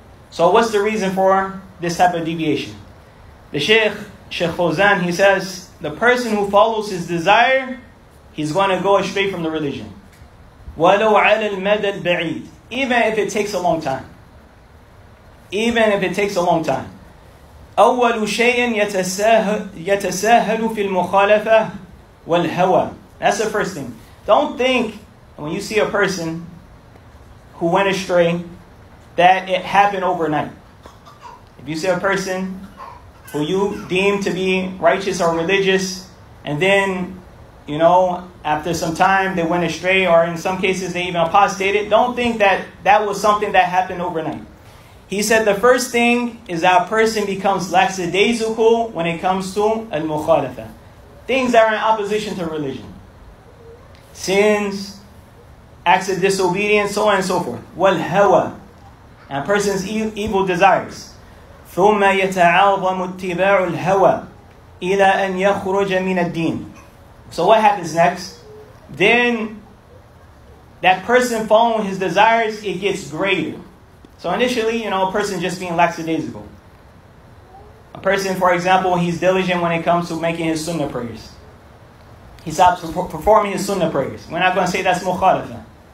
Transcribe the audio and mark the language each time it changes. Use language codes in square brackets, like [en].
[en] So what's the reason for this type of deviation? The Sheikh Fawzan, he says, the person who follows his desire, he's going to go astray from the religion. [ar] وَلَوْ عَلَى الْمَدَى الْبَعِيدِ [en] Even if it takes a long time. Even if it takes a long time. [ar] أَوَّلُ شَيْءٍ يَتَسَاهَلُ فِي الْمُخَالَفَةِ وَالْهَوَى [en] That's the first thing. Don't think, when you see a person who went astray, that it happened overnight. If you see a person who you deem to be righteous or religious, and then, you know, after some time they went astray, or in some cases they even apostated, don't think that that was something that happened overnight. He said the first thing is that a person becomes lackadaisical when it comes to al-mukhalafa. Things that are in opposition to religion. Sins, acts of disobedience, so on and so forth. Wal-hawa. And a person's evil desires. [ar] ثم يتعظم اتباع الهوى إلى أن يخرج من الدين. [en] So what happens next? Then that person following his desires, it gets greater. So initially, you know, a person just being lackadaisical. A person, for example, he's diligent when it comes to making his sunnah prayers. He stops performing his sunnah prayers. We're not going to say that's mukhalafa.